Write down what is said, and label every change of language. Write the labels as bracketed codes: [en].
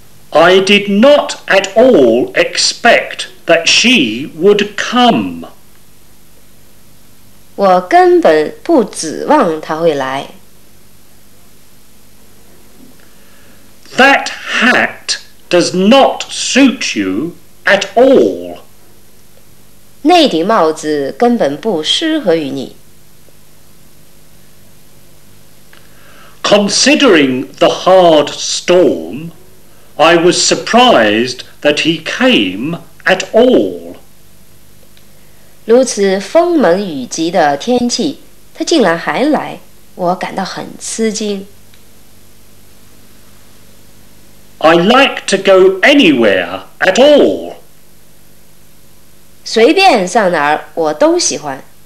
[en] I did not at all expect that she would come. [zh] 我根本不指望她会来。 [en] That hat does not suit you at all. [zh] 那顶帽子根本不适合于你。 [en] Considering the hard storm, I was surprised that he came at all. [zh] 如此风猛雨急的天气，他竟然还来，我感到很吃惊。 [en] I like to go anywhere at all. [zh] 随便上哪儿我都喜欢。